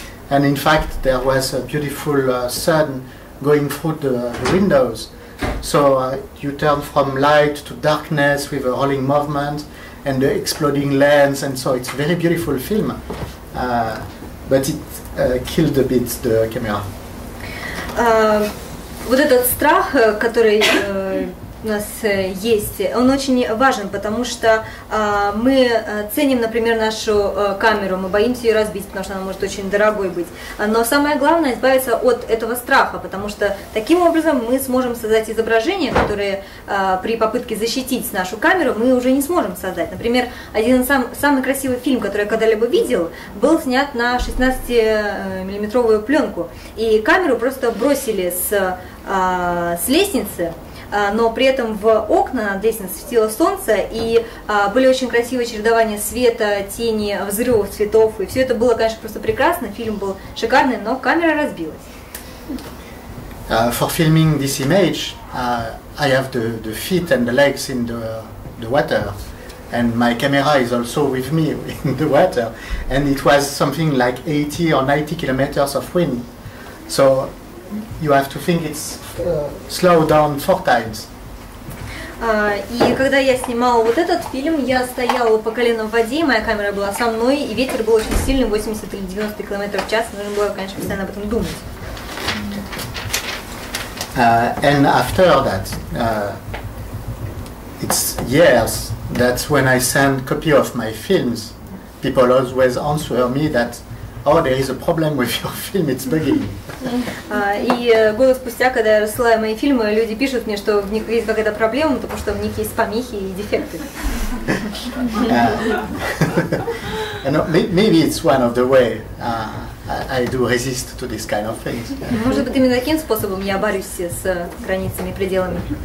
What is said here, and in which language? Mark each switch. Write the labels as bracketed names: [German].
[English] And in fact, there was a beautiful sun going through the windows. So you turn from light to darkness with a rolling movement and the exploding lens. And so it's a very beautiful film, but it killed a bit the camera. [Russian] Вот этот страх, который... у нас есть, он очень важен, потому что мы ценим, например, нашу камеру, мы боимся ее разбить, потому что она может очень дорогой быть. Но самое главное избавиться от этого страха, потому что таким образом мы сможем создать изображение, которое при попытке защитить нашу камеру мы уже не сможем создать. Например, один самый красивый фильм, который я когда-либо видел, был снят на 16-миллиметровую пленку, и камеру просто бросили с лестницы. Но при этом в окна над лестницей светило солнце, и были очень красивые чередования света, тени, взрывов, цветов. И все это было, конечно, просто прекрасно. Фильм был шикарный, но камера разбилась. [English] For filming this image, I have the feet and the legs in the water. And my camera is also with me in the water. And it was something like 80 or 90 kilometers of wind. So you have to think it's slow down four times. [Russian] И когда я снимала вот этот фильм, я стояла по колено в воде, моя камера была со мной, и ветер был очень сильный, 80 или 90 км в час, нужно было, конечно, постоянно об этом думать. [English] And after that, it's years that when I send copy of my films, people always answer me that, oh, there is a problem with your film, it's buggy. [Russian] И год спустя, когда я рассылаю мои фильмы, люди пишут мне, что в них есть какая-то проблема, потому что в них есть помехи и дефекты. [English] Maybe it's one of the way I do resist to this kind of things. [Russian] Может быть, именно таким способом я борюсь с границами, пределами.